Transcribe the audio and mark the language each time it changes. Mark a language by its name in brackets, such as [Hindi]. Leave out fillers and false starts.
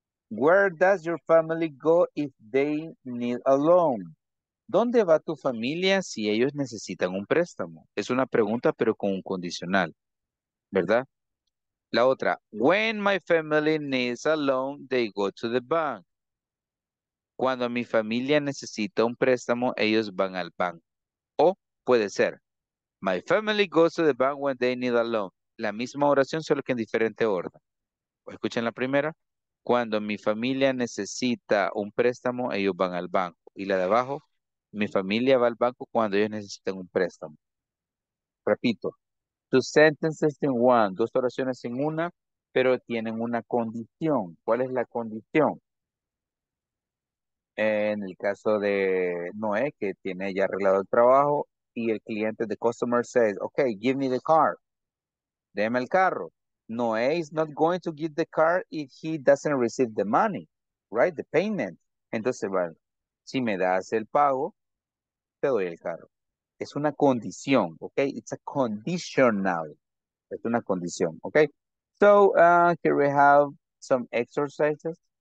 [English] Where does your family go if they need a loan? [Spanish] ¿Dónde va tu familia si ellos necesitan un préstamo? Es una pregunta, pero con un condicional, ¿verdad? La otra. [English] When my family needs a loan, they go to the bank. [Spanish] Cuando mi familia necesita un préstamo, ellos van al banco. O puede ser, [English] my family goes to the bank when they need a loan. [Spanish] La misma oración, solo que en diferente orden. Escuchen la primera. Cuando mi familia necesita un préstamo, ellos van al banco. Y la de abajo, mi familia va al banco cuando ellos necesitan un préstamo. Repito, [English] two sentences in one, [Spanish] dos oraciones en una, pero tienen una condición. ¿Cuál es la condición? En el caso de Noé, que tiene ya arreglado el trabajo, y el cliente, [English] the customer says, okay, give me the car. [Spanish] Deme el carro. [English] Noé is not going to give the car if he doesn't receive the money, right? The payment. [Spanish] Entonces, bueno, si me das el pago, te doy el carro. Es una condición, okay? [English] It's a conditional. [Spanish] Es una condición, okay? [English] So, here we have some exercises.